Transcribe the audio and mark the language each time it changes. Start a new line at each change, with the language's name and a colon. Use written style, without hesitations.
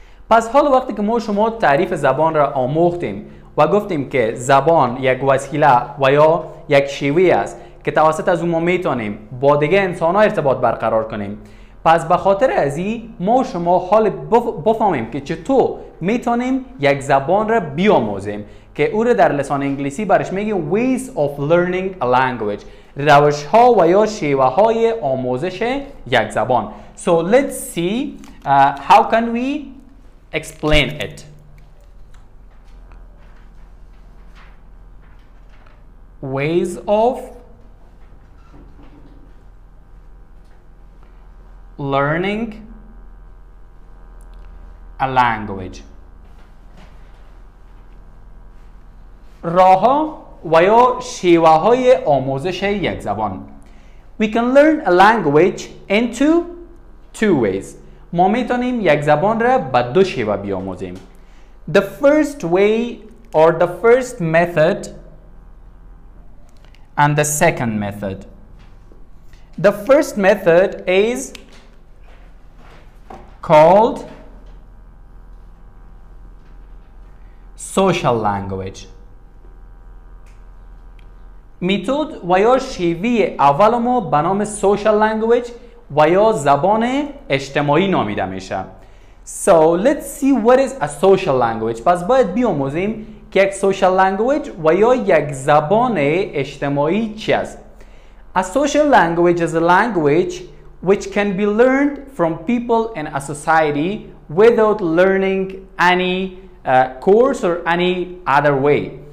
Persian: پس حال وقتی که ما شما تعریف زبان را آموختیم و گفتیم که زبان یک وسیله و یا یک شیوه است که توسط از او ما میتونیم با دیگه انسان‌ها ارتباط برقرار کنیم، پس به خاطر از این ما شما حال بفهمیم که چطور میتونیم یک زبان را بیاموزیم که او را در لسان انگلیسی برش میگیم
English: ways of learning a language،
Persian: روش ها و یا شیوه های آموزش یک زبان.
English: So let's see how can we explain it. Ways of learning a language.
Persian: راه ها و یا شیوه های آموزش یک زبان.
English: We can learn a language into two ways.
Persian: ما میتونیم یک زبان را به دو شیوه بیاموزیم.
English: The first way or the first method and the second method. The first method is called social language.
Persian: میتود و یا شیوی اول ما به نام social language و یا زبان اجتماعی نامیده میشه.
English: So let's see what is a social language.
Persian: پس باید بیاموزیم که یک social language و یا یک زبان اجتماعی چی است.
English: A social language is a language which can be learned from people in a society without learning any course or any other way.